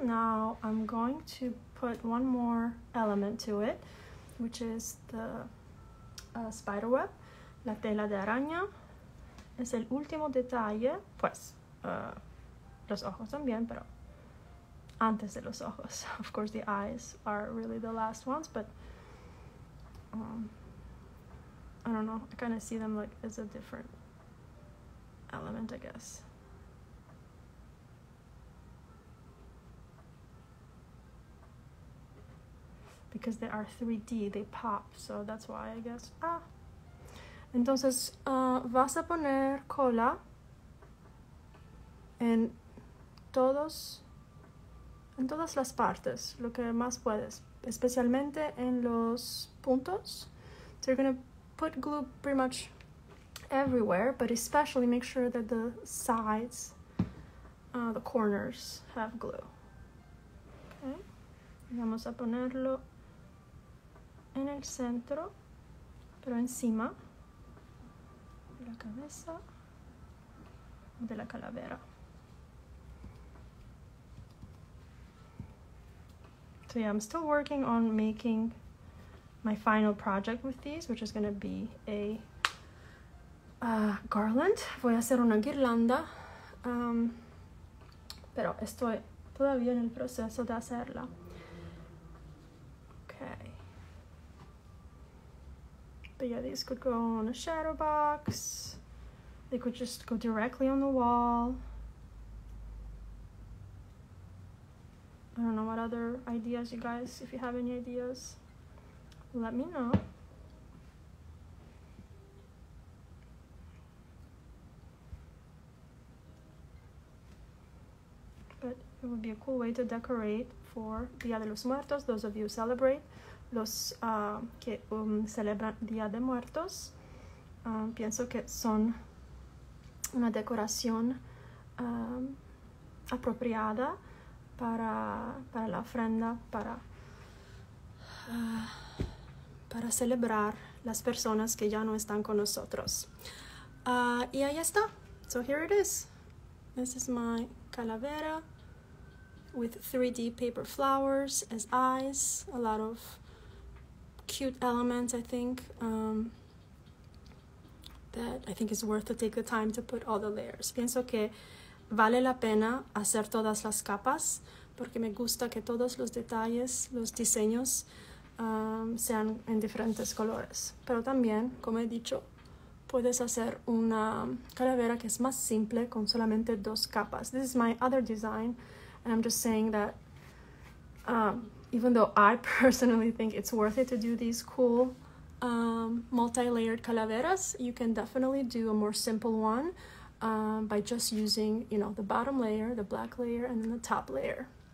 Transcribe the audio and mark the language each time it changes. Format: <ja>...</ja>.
<en>Now I'm going to put one more element to it, which is the spider web,</en> <es>la tela de araña. Es el último detalle, pues, los ojos también, pero antes de los ojos.</es> <en>Of course, the eyes are really the last ones, but I don't know. I kind of see them like as a different element, I guess. Because they are 3D, they pop, so that's why, I guess. Ah!</en> <es>Entonces, vas a poner cola en todas las partes, lo que más puedes, especialmente en los puntos.</es> <en>So you're gonna put glue pretty much everywhere, but especially make sure that the sides, the corners, have glue.</en> <es>Okay, vamos a ponerlo en el centro, pero encima de la cabeza de la calavera.</es> <en>So yeah, I'm still working on making my final project with these, which is gonna be a garland.</en> <es>Voy a hacer una guirlanda. Pero estoy todavía en el proceso de hacerla. Okay.</es> <en>But yeah, these could go on a shadow box. They could just go directly on the wall. I don't know what other ideas you guys, if you have any ideas, let me know. But it would be a cool way to decorate for Día de los Muertos, those of you who celebrate,</en> <es>los que celebran Día de Muertos. Pienso que son una decoración apropiada para la ofrenda, para celebrar las personas que ya no están con nosotros. Y ahí está.</es> <en>So here it is. This is my calavera with 3D paper flowers as eyes. A lot of cute elements, I think, that I think is worth to take the time to put all the layers.</en> <es>Pienso que vale la pena hacer todas las capas porque me gusta que todos los detalles, los diseños, sean en diferentes colores. Pero también, como he dicho, puedes hacer una calavera que es más simple con solamente dos capas.</es> <en>This is my other design, and I'm just saying that even though I personally think it's worth it to do these cool multi-layered calaveras, you can definitely do a more simple one by just using, you know, the bottom layer, the black layer, and then the top layer.</en>